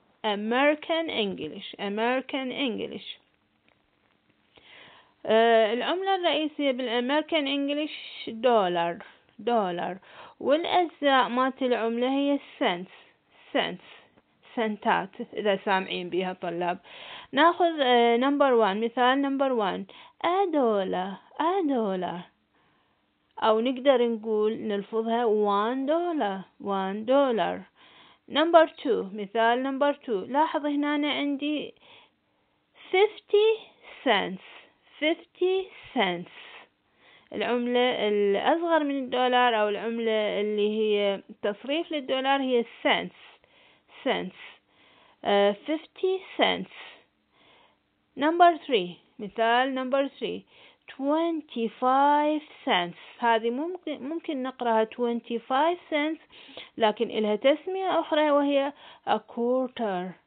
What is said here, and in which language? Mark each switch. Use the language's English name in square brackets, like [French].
[English] American English. American English. [Arabic] العملة الرئيسية بال [English] American English [Arabic] دولار. دولار. والأجزاء مات العملة هي cents. [English] Cents. [Arabic] سنتات، إذا سامعين بها طلاب. ناخذ [English] number one، [Arabic] مثال [English] number one. A dollar. [Arabic] أو نقدر نقول نلفظها [English] one dollar. One dollar. Number two، [Arabic] مثال [English] number two. [Arabic] لاحظ هنا أنا عندي 50 cents. [English] 50 cents. [Arabic] العملة الأصغر من الدولار أو العملة اللي هي تصريف للدولار هي cents. [English] Cents. 50 cents. Number three، مثال number three. 25 cents. [Arabic] هذه ممكن نقرأها 25 cents، لكن إلها تسمية أخرى وهي [English] a quarter.